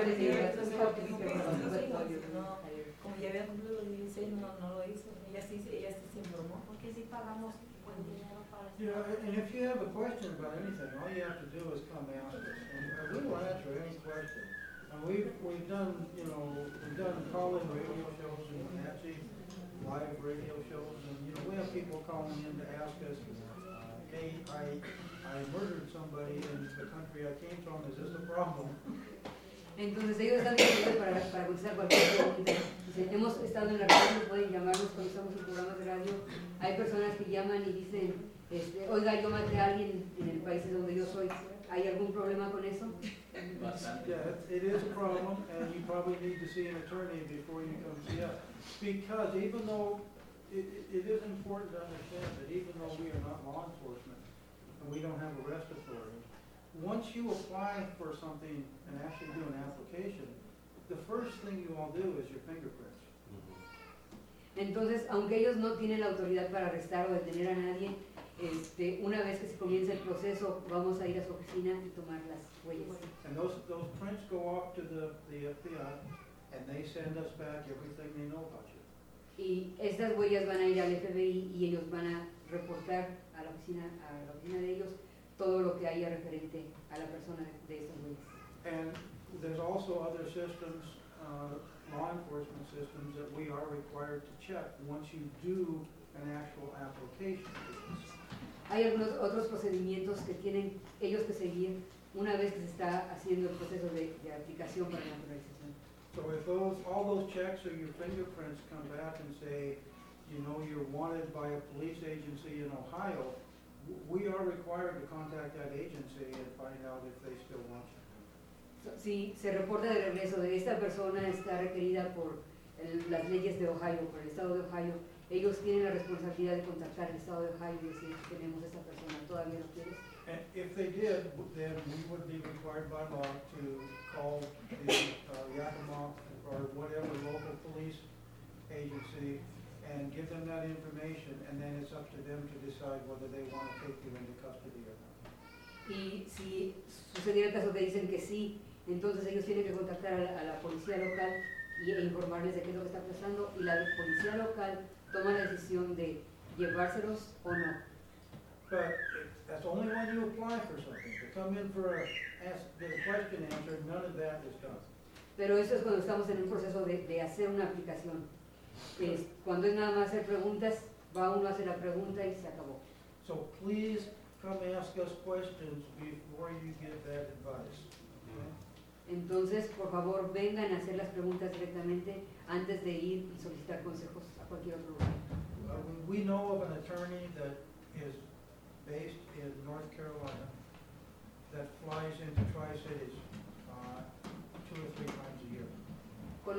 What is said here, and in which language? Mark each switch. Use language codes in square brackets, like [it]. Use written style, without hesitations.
[es] Como ya había cumplido los 16, no lo hizo. Ella sí se informó. Porque si pagamos buen dinero para. [en] You know, and if you have a question about anything, all you have to do is come ask us, and we will answer any question. And we've done call-in radio shows and Wenatchee live radio shows, and you know we have people calling in to ask us. Hey, I murdered somebody in the country I came from. Is this a problem? [es] Entonces ellos están disponibles para contestar cualquier pregunta. Si hemos estado en la radio, pueden llamarnos cuando estamos en programas de radio. Hay personas que llaman y dicen, oiga, yo maté a alguien en el país donde yo soy. ¿Hay algún problema con eso? [en] Yeah, it is a problem, and you probably need to see an attorney before you come see us. Because even though it is important to understand that even though we are not law enforcement and we don't have arrest authority, once you apply for something and actually do an application, the first thing you all do is your fingerprints. [es] Entonces, aunque ellos no tienen la autoridad para arrestar o detener a nadie, una vez que se comienza el proceso, vamos a ir a su oficina y tomar las huellas. [en] And those prints go off to the FBI, and they send us back everything they know about you. [es] Y estas huellas van a ir al FBI y ellos van a reportar a la oficina de ellos todo lo que haya referente a la persona de estas huellas. [en] And there's also other systems, law enforcement systems, that we are required to check once you do an actual application. [es] Hay algunos otros procedimientos que tienen ellos que seguir una vez que se está haciendo el proceso de aplicación para la naturalización. [en] So if all those checks or your fingerprints come back and say, you know, you're wanted by a police agency in Ohio, we are required to contact that agency and find out if they still want you. [es] Si se reporta de regreso de esta persona está requerida por las leyes de Ohio, por el estado de Ohio, ellos tienen la responsabilidad de contactar el estado de Ohio y decir, tenemos esta persona, todavía no quieres. [en] And if they did, then we would be required by law to call the Yakima or whatever local police agency and give them that information, and then it's up to them to decide whether they want to take you into custody or not. [es] Y si sucediera el caso que dicen que sí, entonces ellos tienen que contactar a la policía local e informarles de qué es lo que está pasando, y la policía local toma la decisión de llevárselos o no. [en] But that's only when you apply for something. To come in for a question answered, none of that is done. [es] Pero eso es cuando estamos en un proceso de hacer una aplicación. Cuando es nada más hacer preguntas, va uno a hacer la pregunta y se acabó. [en] So please come ask us questions before you give that advice. [es] Entonces, por favor, vengan a hacer las preguntas directamente antes de ir y solicitar consejos a cualquier otro lugar. [en] We know of an attorney that is based in North Carolina that flies into Tri-Cities two or three times a year.